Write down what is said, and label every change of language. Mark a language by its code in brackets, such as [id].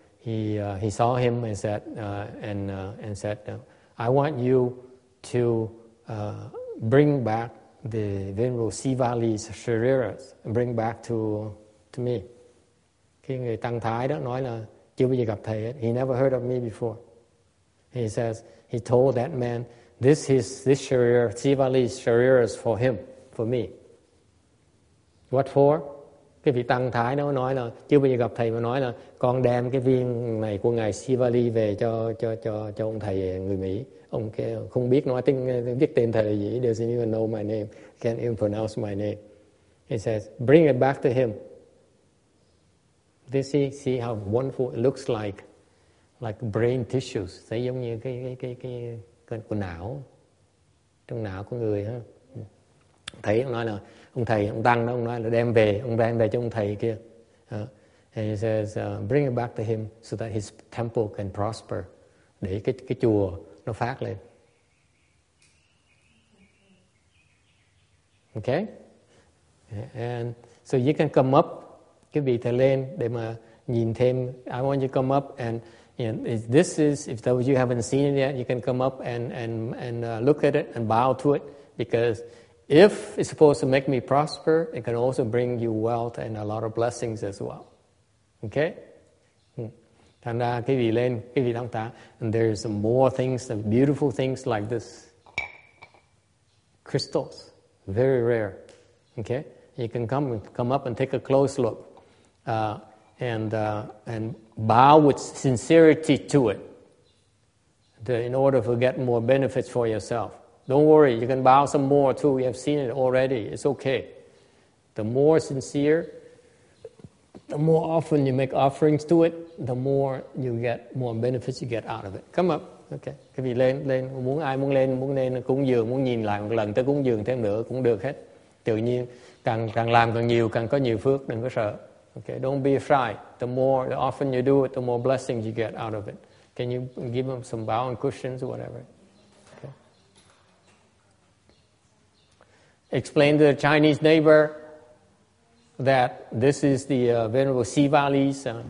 [en] He saw him and said I want you to bring back the Venerable Sivali's Shariras, bring back to me. [vi] Cái người tăng Thái đó nói là chưa bao giờ gặp thầy hết. [en] He never heard of me before. He says, he told that man, this sharira, Sivali's sharira is for him, for me. What for? [vi] Cái vị tăng thái nó nói là chưa bao giờ gặp thầy mà nói là con đem cái viên này của ngài Sivali về cho ông thầy người Mỹ. Ông kia không biết nói tiếng viết tên thầy là gì. [en] He doesn't even know my name. Can't even pronounce my name. He says, bring it back to him. This is, see how wonderful it looks like brain tissues. [vi] Thấy giống như cái của não, trong não của người ha. Thấy ông nói là ông thầy ông tăng đó, ông nói là đem về cho ông thầy kia. [en] And he says, bring it back to him so that his temple can prosper. [vi] Để cái chùa nó phát lên. [en] Okay? And so you can come up, [vi] cái vị thầy lên để mà nhìn thêm. [en] I want you to come up and this is, if those of you haven't seen it yet, you can come up and look at it and bow to it, because if it's supposed to make me prosper, it can also bring you wealth and a lot of blessings as well. [vi] Okay? Thành ra cái vị lên, cái vị tăng thái, [en] and there's more things, some beautiful things like this. Crystals, very rare. Okay? You can come up and take a close look and bow with sincerity to it in order to get more benefits for yourself. Don't worry, you can bow some more too. We have seen it already. It's okay. The more sincere, the more often you make offerings to it, the more you get, more benefits you get out of it. Come up. [vi] Okay. Cái vị lên, lên. Muốn ai muốn lên cúng dường, muốn nhìn lại một lần tới cúng dường thêm nữa cũng được hết. Tự nhiên, càng làm càng nhiều, càng có nhiều phước, đừng có sợ. [en] Okay. Don't be afraid. The often you do it, the more blessings you get out of it. Can you give them some bowing cushions or whatever? Explain to the Chinese neighbor that this is the Venerable Sivali's.